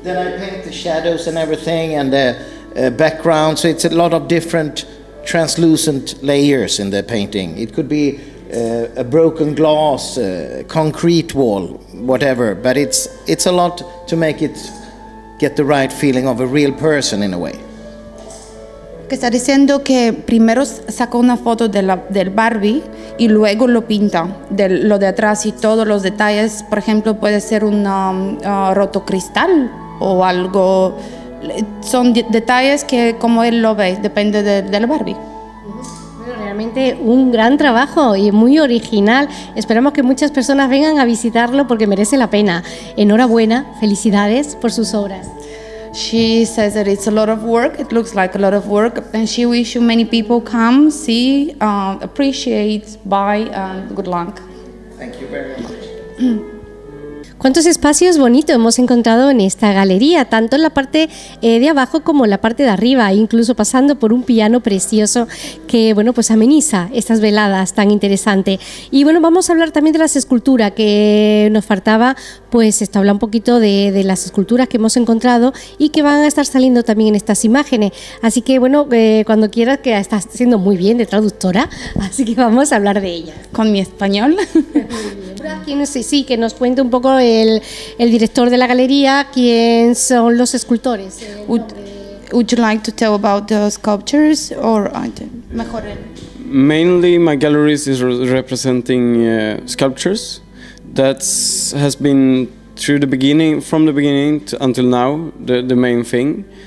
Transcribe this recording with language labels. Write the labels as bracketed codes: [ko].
[en] Then I paint the shadows and everything and the background. So it's a lot of different translucent layers in the painting. It could be a broken glass, concrete wall, whatever. But it's a lot to make it get the right feeling of a real person in a way. [es] Que está diciendo que primero sacó una foto de la, del Barbie y luego lo pinta, de lo de atrás y todos los detalles. Por ejemplo, puede ser un roto cristal o algo. Son detalles que como él lo ve, depende de la Barbie. Bueno, realmente un gran trabajo y muy original. Esperamos que muchas personas vengan a visitarlo porque merece la pena. Enhorabuena, felicidades por sus obras. [en] She says that it's a lot of work. It looks like a lot of work, and she wishes many people come, see, appreciate, buy, and good luck. Thank you very much. [es] ¿Cuántos espacios bonitos hemos encontrado en esta galería, tanto en la parte de abajo como en la parte de arriba, incluso pasando por un piano precioso que, bueno, pues ameniza estas veladas tan interesante. Y bueno, vamos a hablar también de las esculturas que nos faltaba. Pues esto habla un poquito de las esculturas que hemos encontrado y que van a estar saliendo también en estas imágenes. Así que bueno, cuando quieras, que estás siendo muy bien de traductora, así que vamos a hablar de ella. ¿Con mi español? Sí, que nos cuente un poco el director de la galería, quién son los escultores. [en] Would you like to tell about the sculptures or mejor? Mainly my gallery is representing sculptures. That has been through the beginning, from the beginning to until now, the main thing.